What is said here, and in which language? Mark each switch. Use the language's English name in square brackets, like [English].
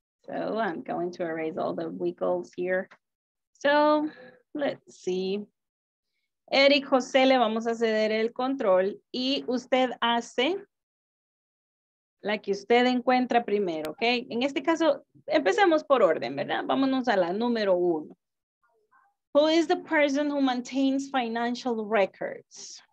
[English] So I'm going to erase all the wiggles here. So... let's see. [Spanish] Eric José, le vamos a ceder el control y usted hace la que usted encuentra primero, ¿ok? En este caso, empecemos por orden, ¿verdad? Vámonos a la número uno. [English] Who is the person who maintains financial records?